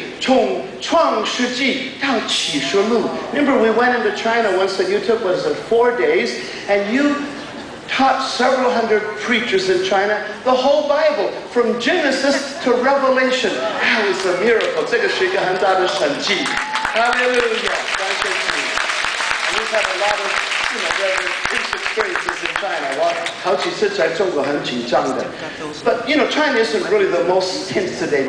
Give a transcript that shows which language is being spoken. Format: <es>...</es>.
<zh>以前我们带她去中国呢，她有四天的时间呢，都是对几百个同工教导整本的圣经，从创世纪到启示录。</zh> <en>Remember, we went into China once and you took, what is it, 4 days, and you taught several hundred preachers in China the whole Bible from Genesis to Revelation. That was a miracle.</en> <zh>这个是一个很大的神迹.</zh> <en>Hallelujah. And we've had a lot of, you know, various experiences in China.</en> <zh>我好几次在中国很紧张的.</zh> <en>But, you know, China isn't really the most tense today.</en>